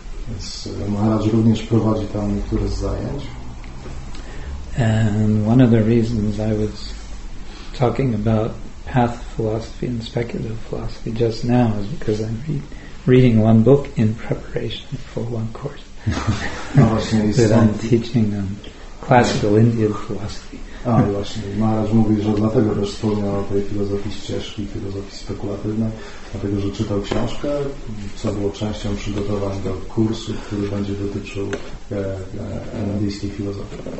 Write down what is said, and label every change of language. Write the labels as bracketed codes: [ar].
[pl] Yes, Maharaj również prowadzi tam niektóre zajęć. [en] And one of the reasons I was talking about path philosophy and speculative philosophy just now is because I'm reading one book in preparation for one course that I'm teaching classical Indian philosophy. [pl] A właśnie, Maharaj mówi, że dlatego też wspomniał o tej filozofii ścieżki, filozofii spekulatywnej, dlatego, że czytał książkę, co było częścią przygotowań do kursu, który będzie dotyczył indyjskiej filozofii.